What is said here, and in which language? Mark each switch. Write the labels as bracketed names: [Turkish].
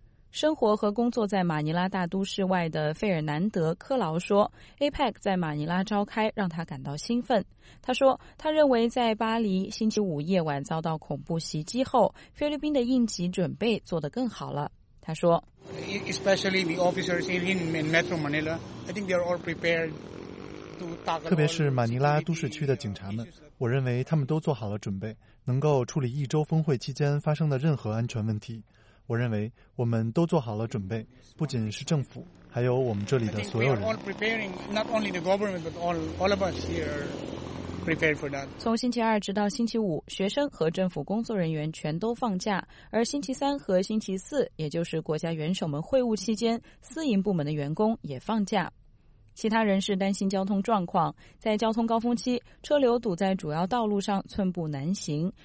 [Chinese] 生活和工作在马尼拉大都市外的费尔南德·科劳说， APEC 在马尼拉召开让他感到兴奋。他说，他认为在巴黎星期五夜晚遭到恐怖袭击后，菲律宾的应急准备做得更好了。他说， [English] Especially the officers in Metro Manila, I think they are all prepared to tackle. [Chinese] 特别是马尼拉都市区的警察们，我认为他们都做好了准备，能够处理一周峰会期间发生的任何安全问题。我认为我们都做好了准备，不仅是政府，还有我们这里的所有人。 [English] All preparing, not only the government, but all of us here. [Chinese] 从星期二直到星期五，学生和政府工作人员全都放假，而星期三和星期四，也就是国家元首们会晤期间，私营部门的员工也放假。其他人士担心交通状况，在交通高峰期，车流堵在主要道路上，寸步难行。